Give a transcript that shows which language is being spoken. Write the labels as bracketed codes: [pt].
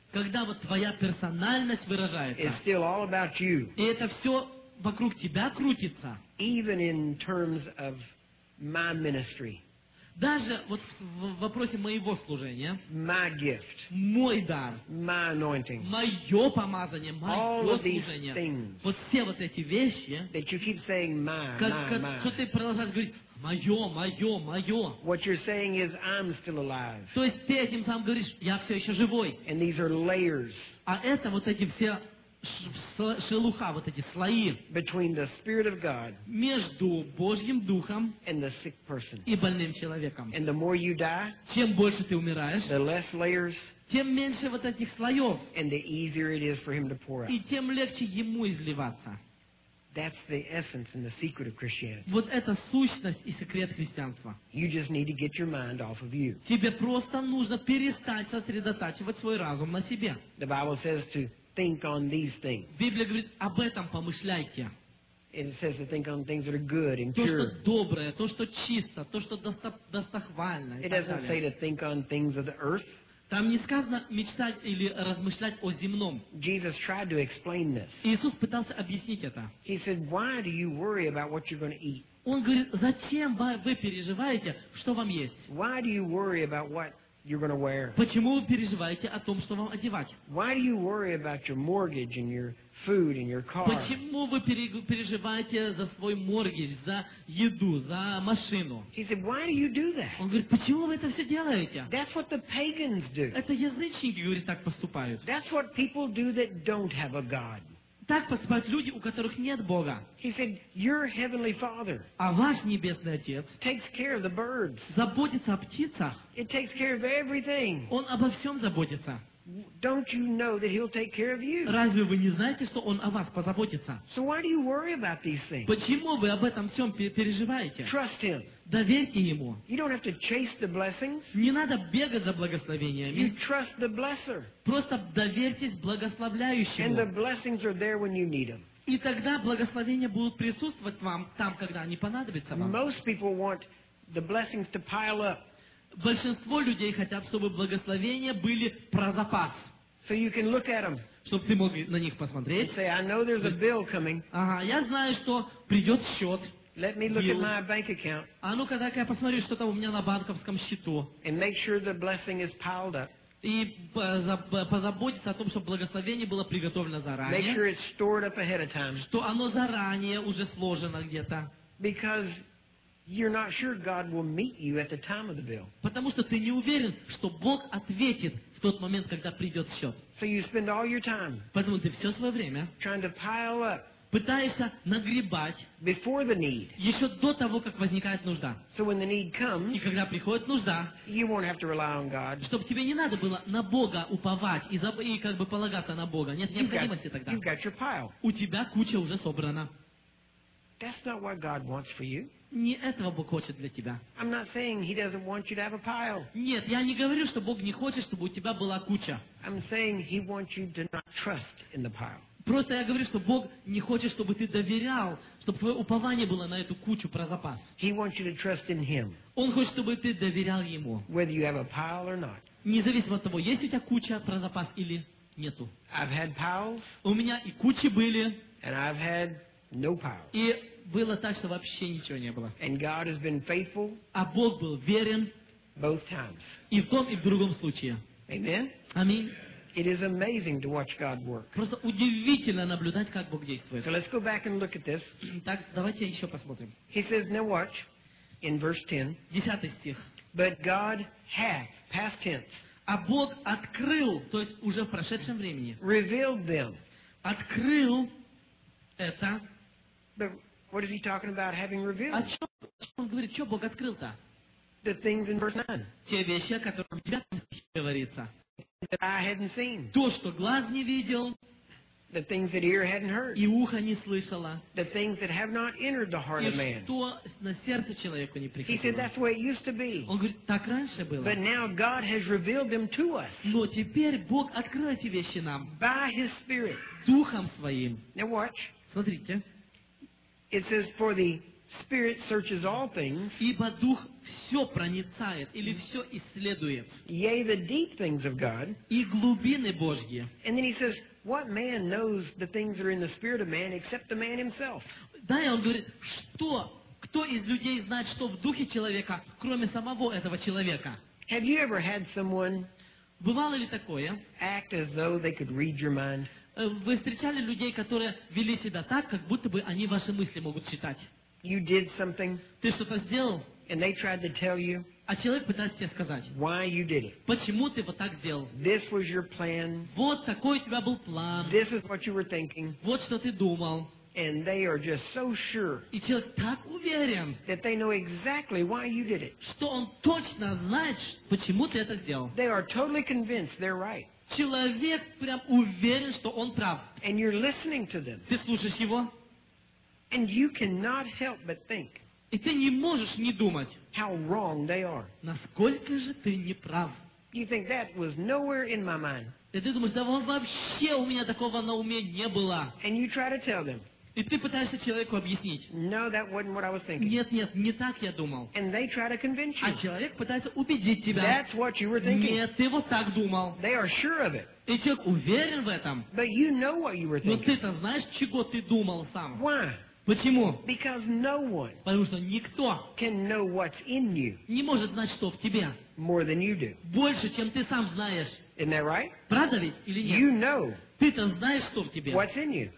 [ru] когда вот твоя персональность выражается, [en] it's still all about you. [ru] И это все вокруг тебя крутится. [en] Even in terms of my ministry, [ru] даже вот в вопросе моего служения, [en] my gift, [ru] мой дар, [en] my anointing, [ru] мое помазание, мое служение, вот все вот эти вещи, [en] that you keep saying my. [ru] Что ты продолжаешь говорить? Мое. [en] What you're saying is, I'm still alive. [ru] То есть ты этим сам говоришь, я все еще живой. [en] And these are layers. [ru] А это вот эти все шелуха, вот эти слои. [en] Between the Spirit of God, [ru] между Божьим Духом, [en] and the sick person, [ru] и больным человеком. [en] And the more you die, [ru] чем больше ты умираешь, [en] the less layers, [ru] тем меньше вот этих слоев, [en] and the easier it is for him to pour out. [ru] И тем легче ему изливаться. [en] That's the essence and the secret of Christianity. [ru] Вот это сущность и секрет христианства. [en] You just need to get your mind off of you. [ru] Тебе просто нужно перестать сосредотачивать свой разум на себе. [en] The Bible says to think on these things. [ru] Библия говорит, об этом помышляйте. [en] It says to think on things that are good and pure. [ru] То, что доброе, то, что чисто, то, что достохвально. [en] It doesn't say to think on things of the earth. [ru] Там не сказано мечтать или размышлять о земном. [en] Jesus tried to explain this. [ru] Иисус пытался объяснить это. [en] He said, why do you worry about what you're going to eat? [ru] Он говорит, зачем вы переживаете, что вам есть? [en] Why do you worry about what you're going to wear? [ru] Почему вы переживаете о том, что вам одевать? [en] Why do you worry about your mortgage and your food and your car? [ru] Почему вы переживаете за свой моргидж, за еду, за машину? [en] He said, why do you do that? [ru] Он говорит, почему вы это все делаете? [en] That's what the pagans do. [ru] Это язычники, говорит, так поступают. [en] That's what people do that don't have a God. [ru] Так поступают люди, у которых нет Бога. [en] He said, your heavenly Father, [ru] а ваш Небесный Отец, [en] takes care of the birds, [ru] заботится о птицах. [en] It takes care of everything. [ru] Он обо всем заботится. [en] Don't you know that he'll take care of you? [ru] Разве вы не знаете, что он о вас позаботится? [en] So why do you worry about these things? [ru] Почему вы об этом всем переживаете? [en] Trust him. [ru] Доверьте ему. [en] You don't have to chase the blessings. [ru] Не надо бегать за благословениями. [en] You trust the blesser. [ru] Просто доверьтесь благословляющему. [en] And the blessings are there when you need them. [ru] И тогда благословения будут присутствовать вам там, когда они понадобятся вам. [en] Most people want the blessings to pile up. [ru] Большинство людей хотят, чтобы благословения были про запас. [en] So you can look at them. [ru] Чтобы ты мог на них посмотреть. [en] Say, I know there's a bill coming. [ru] Ага, я знаю, что придет счет. [en] Let me look at my bank account. [ru] А ну-ка, дай-ка я посмотрю, что там у меня на банковском счету. [en] And make sure the blessing is piled up. [ru] И позаботиться о том, чтобы благословение было приготовлено заранее. [en] Make sure it's stored up ahead of time. [ru] Что оно заранее уже сложено где-то. [en] Because you're not sure God will meet you at the time of the bill. [ru] Потому что ты не уверен, что Бог ответит в тот момент, когда придет счет. [en] So you spend all your time. [ru] Поэтому ты все свое время [en] trying to pile up. [ru] Пытаешься нагребать. [en] Before the need. [ru] Еще до того, как возникает нужда. [en] So when the need comes. [ru] И когда приходит нужда. [en] You won't have to rely on God. [ru] Чтобы тебе не надо было на Бога уповать и как бы полагаться на Бога. Нет необходимости тогда. [en] You've got your pile. [ru] У тебя куча уже собрана. [en] That's not what God wants for you. [ru] Не этого Бог хочет для тебя. [en] I'm not saying he doesn't want you to have a pile. [ru] Нет, я не говорю, что Бог не хочет, чтобы у тебя была куча. [en] I'm saying he wants you to not trust in the pile. [ru] Просто я говорю, что Бог не хочет, чтобы ты доверял, чтобы твое упование было на эту кучу про запас. [en] He wants you to trust in him. [ru] Он хочет, чтобы ты доверял ему. [en] Whether you have a pile or not. [ru] Независимо от того, есть у тебя куча про запас или нету. [en] I've had piles. [ru] У меня и кучи были. [en] And I've had no pile. [ru] И было так, что вообще ничего не было. [en] And God has been faithful, [ru] а Бог был верен [en] both times. [ru] И в том, и в другом случае. [en] Amen. [ru] Аминь. [en] It is amazing to watch God work. [ru] Просто удивительно наблюдать, как Бог действует. [en] So let's go back and look at this. [ru] Так, давайте еще посмотрим. [en] He says, now watch, in verse 10. [ru] 10 стих. [en] But God hath, past tense. [ru] А Бог открыл, то есть уже в прошедшем времени. [en] Revealed them. [ru] Открыл это. [en] But what is he talking about having revealed? [ru] О чем он говорит, что Бог открыл-то? [en] The things in verse 9. [ru] Те вещи, о которых в 9 стихе говорится. [en] That I hadn't seen. [ru] То, что глаз не видел. [en] The things that ear hadn't heard. [ru] И ухо не слышало. [en] The things that have not entered the heart of man. [ru] И что на сердце человеку не приходило. [en] He said that's the way it used to be. [ru] Он говорит, так раньше было. [en] But now God has revealed them to us. [ru] Но теперь Бог открыл эти вещи нам. [en] By His Spirit. [ru] Духом своим. [en] Now watch. [ru] Смотрите. [en] It says for the Spirit searches all things. [ru] Ибо дух все проницает или все исследует. [en] Yea, the deep things of God. [ru] И глубины Божьи. [en] And then he says, what man knows the things that are in the spirit of man except the man himself? [ru] Да, он говорит, что кто из людей знает, что в духе человека, кроме самого этого человека? [en] Have you ever had someone? [ru] Бывало ли такое? [en] Act as though they could read your mind. [ru] Вы встречали людей, которые вели себя так, как будто бы они ваши мысли могут читать? [en] You did something. [ru] Ты что-то сделал. [en] And they tried to tell you. [ru] А человек пытается тебе сказать. [en] Why you did it? [ru] Почему ты вот так сделал? [en] This was your plan. [ru] Вот такой у тебя был план. [en] This is what you were thinking. [ru] Вот что ты думал. [en] And they are just so sure. [ru] И человек так уверен. [en] That they know exactly why you did it. [ru] Что он точно знает, почему ты это сделал. [en] They are totally convinced they're right. [ru] Человек прям уверен, что он прав. [en] And you're listening to them. [ru] Ты слушаешь его. [en] And you cannot help but think. [ru] И ты не можешь не думать. [en] How wrong they are. [ru] Насколько же ты неправ. [en] You think that was nowhere in my mind. [ru] И ты думаешь, да вообще у меня такого на уме не было. [en] And you try to tell them. [ru] И ты пытаешься человеку объяснить. [en] No, that wasn't what I was thinking. [ru] Нет, нет, не так я думал. [en] And they try to convince you. [ru] А человек пытается убедить тебя. [en] That's what you were thinking. [ru] Нет, ты вот так думал. [en] They are sure of it. [ru] И человек уверен в этом. [en] But you know what you were thinking. [ru] Но ты-то знаешь, чего ты думал сам. [en] Why? [ru] Почему? [en] Because no one. [ru] Потому что никто. [en] Can know what's in you. [ru] Не может знать, что в тебе. [en] More than you do. [ru] Больше, чем ты сам знаешь. [en] Isn't that right? [ru] Правда ведь или нет? [en] You know. [ru] Ты-то знаешь, что в тебе. [en] What's in you.